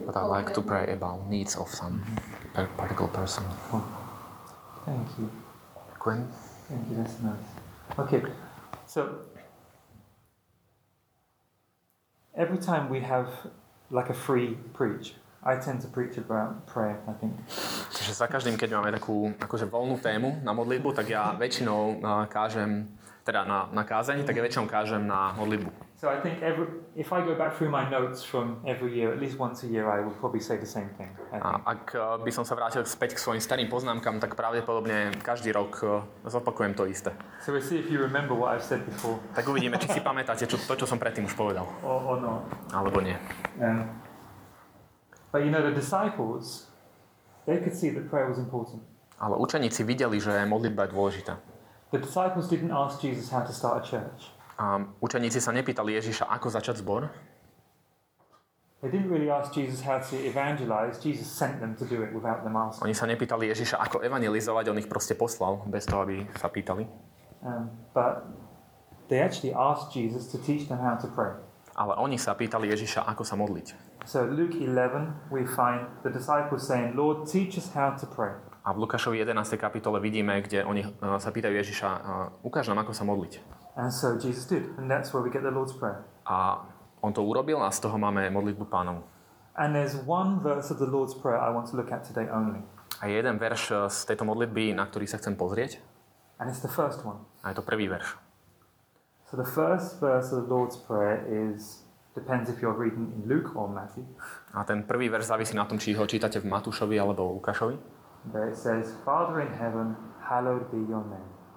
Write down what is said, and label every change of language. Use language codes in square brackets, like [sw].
[en] But I like to pray about needs of some particular person. Thank you. Quinn? Thank you, that's nice. Okay, so every time we have like a free preach, I tend to preach about prayer, I think. [sk] Čiže za každým, keď máme takú akože voľnú tému na modlitbu, tak ja väčšinou kážem, teda na kázeň, tak ja väčšinou kážem na modlitbu. [en] So I think if I go back through my notes from every year, at least once a year, I will probably say the same thing. [sk] Ak by som sa vrátil späť k svojim starým poznámkam, tak pravdepodobne každý rok zopakujem to isté. [en] So we'll see if you remember what I've said before. [sk] Tak uvidíme, či si pamätáte čo som predtým už povedal. [en] Or not. [sk] Alebo nie. [en] But you know, the disciples, they could see that prayer was important. [sk] Ale učeníci videli, že modlitba je dôležitá. [en] The disciples didn't ask Jesus how to start a church. [sk] Učeníci sa nepýtali Ježiša, ako začať zbor. [en] They didn't really ask Jesus how to evangelize. Jesus sent them to do it without them asking. [sk] Oni sa nepýtali Ježiša, ako evangelizovať, on ich proste poslal bez toho, aby sa pýtali. [en] But they actually asked Jesus to teach them how to pray. [sk] Ale oni sa pýtali Ježiša, ako sa modliť. [en] So Luke 11 we find the disciples saying, "Lord, teach us how to pray." [sk] A v Lukášovi 11. kapitole vidíme, kde oni sa pýtajú Ježiša, ukáž nám, ako sa modliť. [en] And so Jesus did, and that's where we get the Lord's Prayer. [sk] A on to urobil a z toho máme modlitbu Pánovu. [en] And there's one verse of the Lord's Prayer I want to look at today only. [sk] A je jeden verš z tejto modlitby, na ktorý sa chcem pozrieť. [en] And it's the first one. [sk] A je to prvý verš. [en] So the first verse of the Lord's Prayer is, depends if you're reading in Luke or Matthew. [sk] A ten prvý verš závisí na tom, či ho čítate v Matúšovi alebo Lukášovi. [en] There it says, Father in heaven, hallowed be your name.